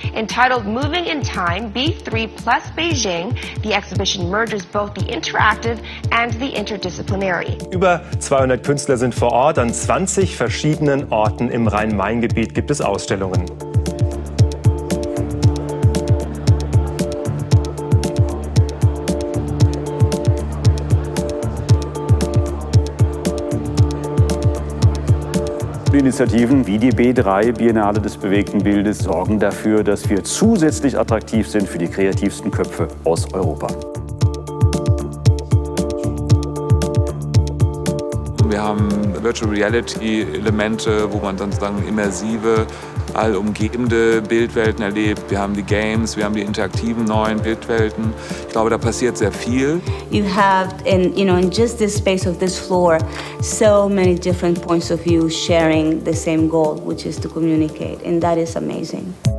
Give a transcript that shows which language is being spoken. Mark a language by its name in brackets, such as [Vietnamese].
[English] Entitled Moving in Time B3 Plus Beijing, the exhibition merges both the interactive and the interdisciplinary. [German] Über 200 Künstler sind vor Ort. An 20 verschiedenen Orten im Rhein-Main-Gebiet gibt es Ausstellungen. Initiativen wie die B3 Biennale des bewegten Bildes sorgen dafür, dass wir zusätzlich attraktiv sind für die kreativsten Köpfe aus Europa. Wir haben Virtual Reality Elemente, wo man sozusagen immersive, allumgebende Bildwelten erlebt. Wir haben die Games, wir haben die interaktiven neuen Bildwelten. Ich glaube, da passiert sehr viel. [English] You have in, you know, in just this space of this floor, so many different points of view sharing the same goal, which is to communicate, and that is amazing.